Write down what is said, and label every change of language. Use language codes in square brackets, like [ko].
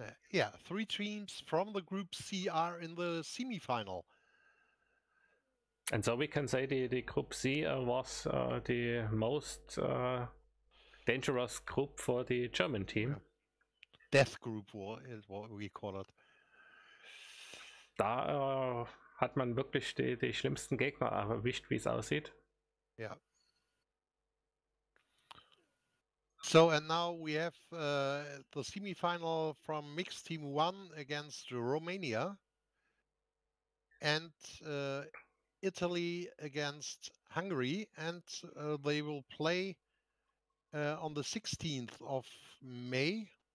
[en] Yeah, three teams from the group C are in the semi-final. And so we can say the group C was the most dangerous group for the German team. Death group war is what we call it. [de] Da hat man wirklich die schlimmsten Gegner erwischt, wie es aussieht. Ja. Yeah. [en] So, and now we have the semi-final from Mixed Team 1 against Romania and Italy against Hungary, and they will play on the 16th of May.